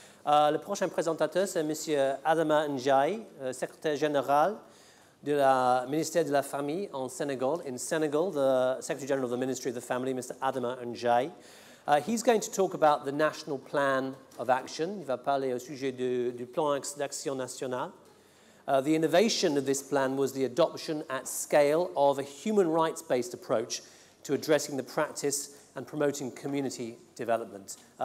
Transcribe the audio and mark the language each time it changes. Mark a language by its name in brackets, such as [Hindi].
[French] Le prochain présentateur, c'est Monsieur Adama Ndiaye, secrétaire général de la Ministère de la Famille en Sénégal. [English] In Senegal, the Secretary General of the Ministry of the Family, Mr. Adama Ndiaye. He's going to talk about the National Plan of Action. [French] Il va parler au sujet du Plan d'Action National. [English] The innovation of this plan was the adoption at scale of a human rights-based approach to addressing the practice and promoting community development.